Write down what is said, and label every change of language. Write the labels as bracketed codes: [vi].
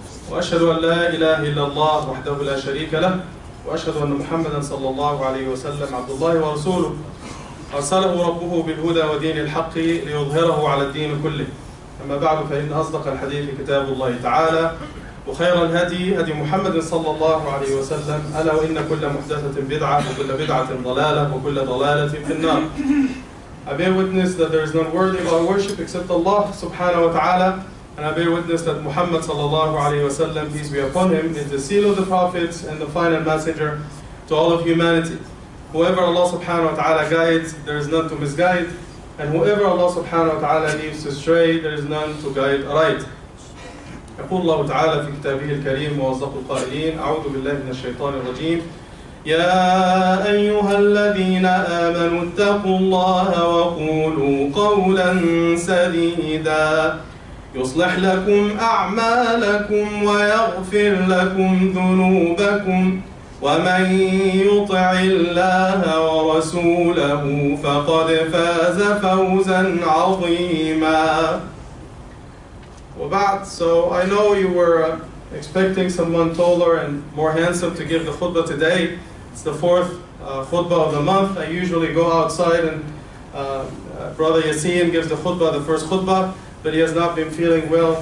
[ar] وأشهد أن لا إله إلا الله وحده لا شريك له، وأشهد أن محمدا صلى الله عليه وسلم عبد الله ورسوله، أرسله ربه بالهدى ودين الحق ليظهره على الدين كله. أما بعد، فإن أصدق الحديث كتاب الله تعالى، وخير الهدي هدي محمد صلى الله عليه وسلم، ألا وإن كل محدثة بدعة وكل بدعة ضلالة وكل ضلالة في النار. [en] I bear witness that there is none worthy of our worship except Allah subhanahu wa ta'ala, and I bear witness that Muhammad صلى الله عليه وسلم, peace be upon him, is the seal of the prophets and the final messenger to all of humanity. Whoever Allah subhanahu wa ta'ala guides, there is none to misguide, and whoever Allah subhanahu wa ta'ala leaves astray, there is none to guide aright. [ar] يقول الله تعالى في كتابه الكريم موظف القائلين: أعوذ بالله من الشيطان الرجيم. يا أيها الذين آمنوا اتقوا الله وقولوا قولا سديدا يصلح لكم أعمالكم ويغفر لكم ذنوبكم ومن يطع الله ورسوله فقد فاز فوزا عظيما. [en] So I know you were expecting someone taller and more handsome to give the khutbah today. It's the fourth khutbah of the month. I usually go outside and Brother Yaseen gives the khutbah, the first khutbah, but he has not been feeling well.